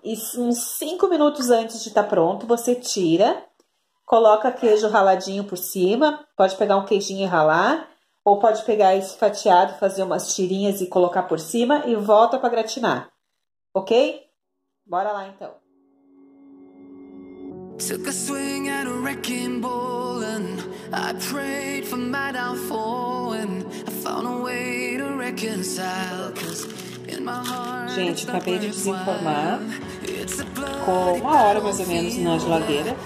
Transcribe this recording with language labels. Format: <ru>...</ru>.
<pt>E uns 5 minutos antes de estar pronto, você tira, coloca queijo raladinho por cima, pode pegar um queijinho e ralar. Ou pode pegar esse fatiado, fazer umas tirinhas e colocar por cima e volta para gratinar. Ok? Bora lá então.</pt> <en>Took a swing at a wrecking ball and I prayed for my downfall and I found a way to reconcile. Cause in my heart.</en> <pt>Gente, acabei de desenformar. Ficou uma hora mais ou menos na geladeira.</pt>